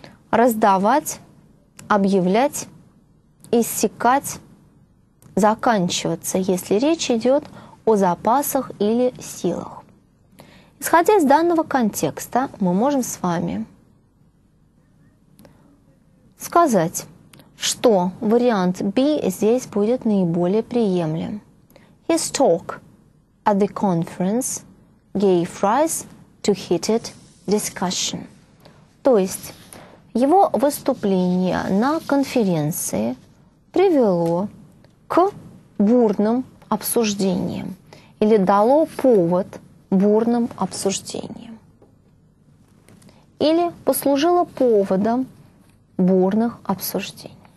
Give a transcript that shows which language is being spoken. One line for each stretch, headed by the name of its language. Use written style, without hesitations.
Russian: Раздавать, объявлять, иссякать, заканчиваться, если речь идет о запасах или силах. Исходя из данного контекста, мы можем с вами сказать, что вариант B здесь будет наиболее приемлем.
English: His talk at the conference gave rise to heated discussion.
Russian: То есть его выступление на конференции привело к бурным обсуждениям или дало повод бурным обсуждением или послужило поводом бурных обсуждений.